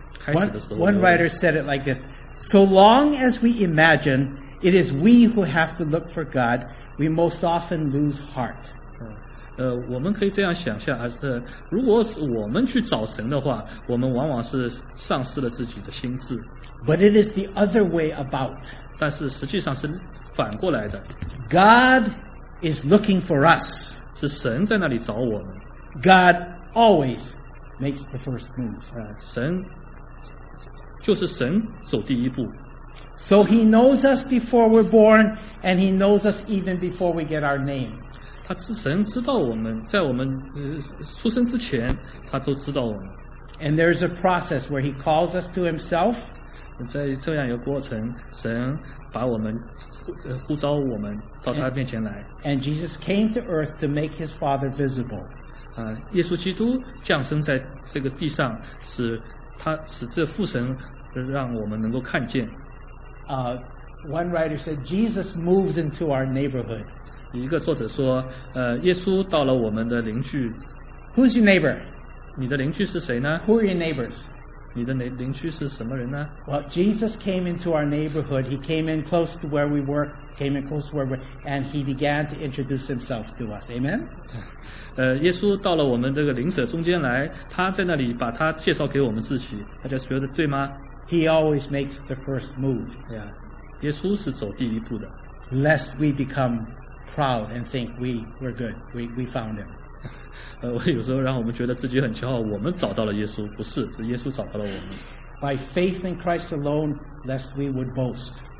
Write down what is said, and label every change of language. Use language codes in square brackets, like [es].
[zh] 开始的时候 [en] one writer said it like this. So long as we imagine it is we who have to look for God, we most often lose heart. [zh] 我们可以这样想象，还是如果是我们去找神的话，我们往往是丧失了自己的心智。 [en] But it is the other way about. [zh] 但是实际上是反过来的。 [en] God is looking for us. [zh] 是神在那里找我们。 [en] God always makes the first move. [zh] 神。就是神走第一步。 [en] So he knows us before we're born, and he knows us even before we get our name. [zh] 他是神知道我们，在我们出生之前，他都知道我们。 [en] And there's a process where he calls us to himself. [zh] 在这样一个过程，神把我们呼召我们到他面前来。 [en] And Jesus came to earth to make his Father visible. [zh] 耶稣基督降生在这个地上是。他使这父神让我们能够看见。 [en] One writer said, "Jesus moves into our neighborhood." [zh] 一个作者说，耶稣到了我们的邻居。 [en] Who's your neighbor? [zh] 你的邻居是谁呢 [en] ？Who are your neighbors? [zh] 你的邻居是什么人呢 [en] ？Well, Jesus came into our neighborhood. He came in close to where we work, came in close to where we, and he began to introduce himself to us. Amen. [zh] 耶稣到了我们这个邻舍中间来，他在那里把他介绍给我们自己，大家觉得对吗 [en] ？He always makes the first move. [zh] Yeah, 耶稣是走第一步的。 [en] Lest we become proud and think we're good, we found him. [zh] 有时候让我们觉得自己很骄傲，我们找到了耶稣，不是，是耶稣找到了我们。 [en] By faith in Christ alone, lest we would boast.